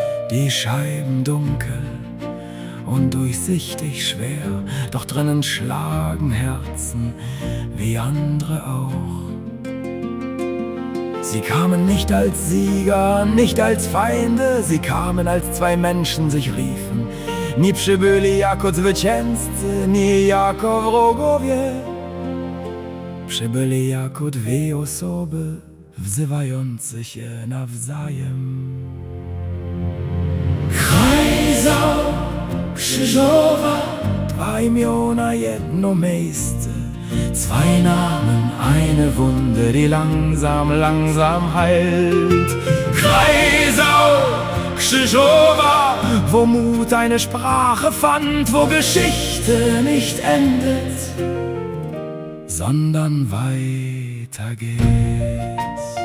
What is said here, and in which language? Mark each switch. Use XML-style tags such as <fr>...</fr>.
<de>Die Scheiben dunkel und durchsichtig schwer, doch drinnen schlagen Herzen wie andere auch. Sie kamen nicht als Sieger, nicht als Feinde, sie kamen als zwei Menschen sich riefen.</de> <pl>Nie przybyli jako zwycięzcy, nie jako wrogowie. Przybyli jako dwie osoby, wzywające się nawzajem. Kreisau, Krzyżowa, dwa imiona, jedno miejsce.</pl> <de>Zwei Namen, eine Wunde, die langsam, langsam heilt. Kreisau, Krzyżowa, wo Mut eine Sprache fand, wo Geschichte nicht endet, sondern weitergeht.</de>